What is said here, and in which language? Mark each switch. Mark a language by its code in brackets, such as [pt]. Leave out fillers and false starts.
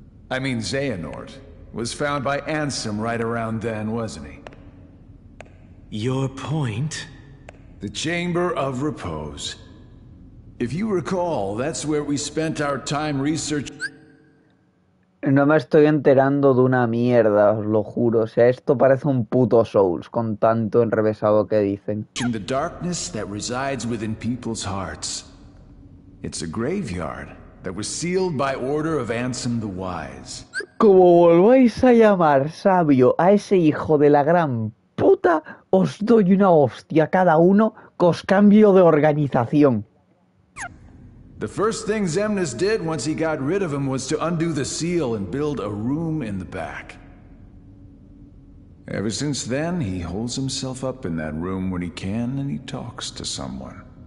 [en] I mean Xehanort. Was found by Ansem right around then, wasn't he? Your point? The Chamber of Repose. If you recall, that's where we spent our time researching. [es] No me estoy enterando de una mierda, os lo juro. O sea, esto parece un puto Souls con tanto enrevesado que dicen. [en] In the darkness that resides within people's hearts. It's a graveyard that was sealed by order of Ansem the Wise. [es] Como volváis a llamar sabio a ese hijo de la gran puta, os doy una hostia cada uno que os cambio de organización. [en] The first thing Xemnas did once he got rid of him was to undo the seal and build a room in the back. Ever since then, he holds himself up in that room when he can and he talks to someone.